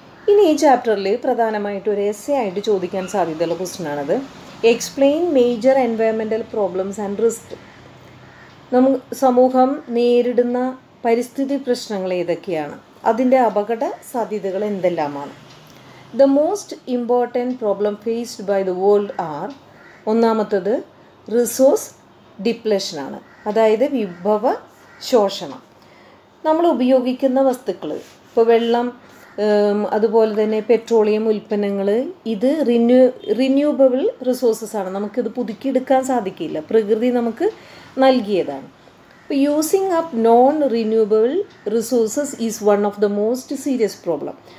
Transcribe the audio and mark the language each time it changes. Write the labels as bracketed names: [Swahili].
[Malayalam] ഇനി ഈ ചാപ്റ്ററിൽ പ്രധാനമായിട്ട് ഒരു എസ്സേ ആയിട്ട് ചോദിക്കാൻ സാധ്യതയുള്ള ക്വസ്റ്റ്യനാണത്. [English] Explain major എൻവയോൺമെൻ്റൽ problems and risk. [Malayalam] നമുക്ക് സമൂഹം നേരിടുന്ന പരിസ്ഥിതി പ്രശ്നങ്ങൾ ഏതൊക്കെയാണ്, അതിൻ്റെ അപകട സാധ്യതകൾ എന്തെല്ലാമാണ്. [English] The most important problem faced by the world are [Malayalam] ഒന്നാമത്തേത് [English] resource depletion [Malayalam] ആണ്, അതായത് വിഭവ ശോഷണം. നമ്മൾ ഉപയോഗിക്കുന്ന വസ്തുക്കൾ, ഇപ്പോൾ വെള്ളം, അതുപോലെ തന്നെ പെട്രോളിയം ഉൽപ്പന്നങ്ങൾ, ഇത് റിന്യൂവബിൾ റിസോഴ്സസ് ആണ്. നമുക്കിത് പുതുക്കിയെടുക്കാൻ സാധിക്കില്ല, പ്രകൃതി നമുക്ക് നൽകിയതാണ്. ഇപ്പോൾ [English] Using up non renewable resources is one of the most serious problem.